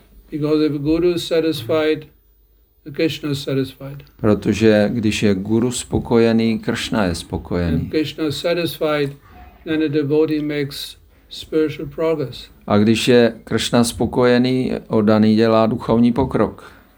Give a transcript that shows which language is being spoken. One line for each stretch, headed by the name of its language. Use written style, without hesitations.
English: Because if guru is satisfied, the Krishna is satisfied.
Czech: Protože když je guru spokojený, Krishna je spokojený.
English: If Krishna is satisfied, then the devotee makes spiritual progress.
Czech: A když je Krishna spokojený, oddaný dělá duchovní pokrok.